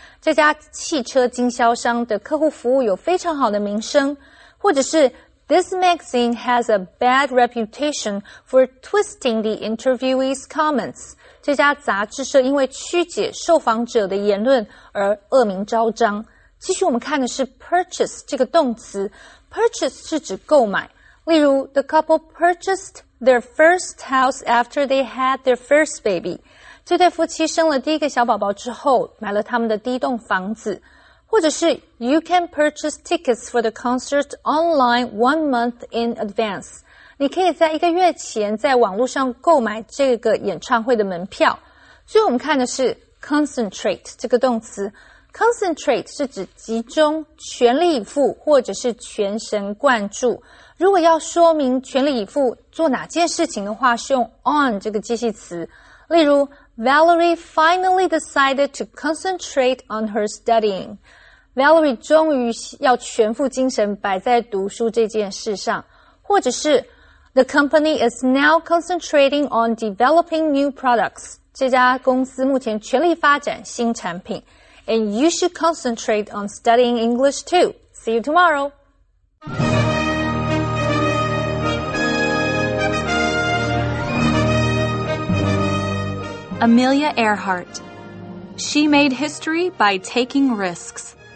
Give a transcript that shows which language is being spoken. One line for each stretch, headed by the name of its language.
Chinese: 这家汽车经销商的客户服务有非常好的名声。或者是
English: ,this magazine has a bad reputation for twisting the interviewee's comments.
Chinese: 这家杂志社因为曲解受访者的言论而恶名昭彰。继续我们看的是 purchase 这个动词。purchase 是指购买。例如
English: ,the couple purchased their first house after they had their first baby.
Chinese: 这对夫妻生了第一个小宝宝之后买了他们的第一栋房子。或者是
English: ,you can purchase tickets for the concert online 1 month in advance.
Chinese: 你可以在一个月前在网络上购买这个演唱会的门票。最后我们看的是 concentrate 这个动词。Concentrate 是指集中全力以赴或者是全神贯注。如果要说明全力以赴做哪件事情的话，是用 on 这个介系词。例如
English: ,Valerie finally decided to concentrate on her studying.
Chinese: Valerie 终于要全副精神摆在读书这件事上。或者是
English: ,The company is now concentrating on developing new products.
Chinese: 这家公司目前全力发展新产品。
English: And you should concentrate on studying English too. See you tomorrow. Amelia Earhart. She made history by taking risks.